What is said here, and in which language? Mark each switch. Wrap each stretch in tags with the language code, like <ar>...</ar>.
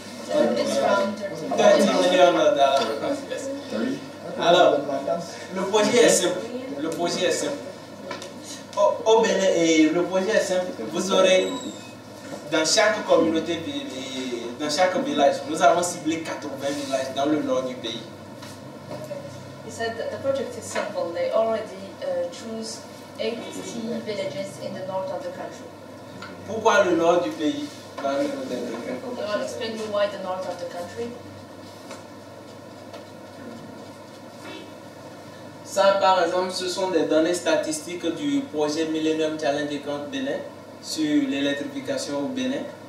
<en>$30 million.</en> <fr>Alors, le projet est simple. Le projet est simple. Vous aurez dans chaque communauté, dans chaque village, nous avons ciblé 80 villages dans le nord du pays.</fr> <en>Okay. He said that the project is simple. They already choose 80 villages in the north of the country.</en> <fr>Pourquoi le nord du pays?</fr> <en>Can you explain you why the north of the country?</en> <fr>Ça, par exemple, ce sont des données statistiques du projet Millennium Challenge Account Bénin sur l'électrification au Bénin.</fr>